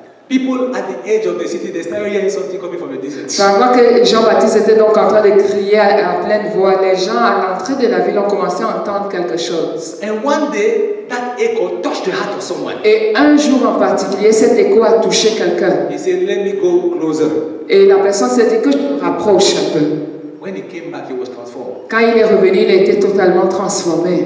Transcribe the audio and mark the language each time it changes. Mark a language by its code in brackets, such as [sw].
[fr] Pendant que Jean-Baptiste était donc en train de crier à pleine voix, les gens à l'entrée de la ville ont commencé à entendre quelque chose. [en] And one day, that echo touched the heart of someone. [fr] Et un jour en particulier, cet écho a touché quelqu'un. [en] He said, "Let me go closer." [fr] Et la personne s'est dit que je me rapproche un peu. [en] When he came back, he was transformed. [fr] Quand il est revenu, il a été totalement transformé.